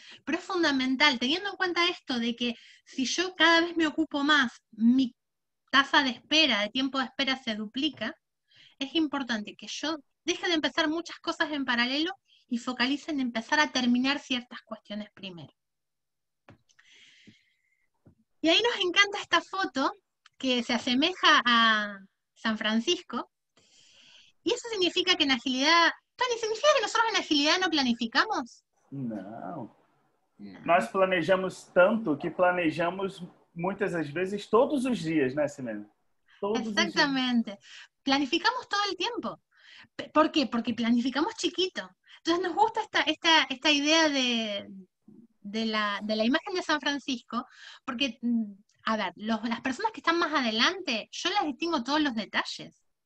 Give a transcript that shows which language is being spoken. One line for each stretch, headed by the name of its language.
Spanish: Pero es fundamental, teniendo en cuenta esto de que si yo cada vez me ocupo más, mi tasa de espera, de tiempo de espera se duplica, es importante que yo deje de empezar muchas cosas en paralelo y focalice en empezar a terminar ciertas cuestiones primero. Y ahí nos encanta esta foto que se asemeja a San Francisco. Y eso significa que en agilidad... Tony, ¿significa que nosotros en agilidad no planificamos? No.
Portuguese: Nós planejamos tanto que planejamos muitas das vezes todos os dias, né, Simena?
Spanish: Exactamente. Planificamos todo el tiempo. ¿Por qué? Porque planificamos chiquito. Entonces nos gusta esta idea de la imagen de San Francisco, porque, a ver, las personas que están más adelante, yo las distingo todos los detalles.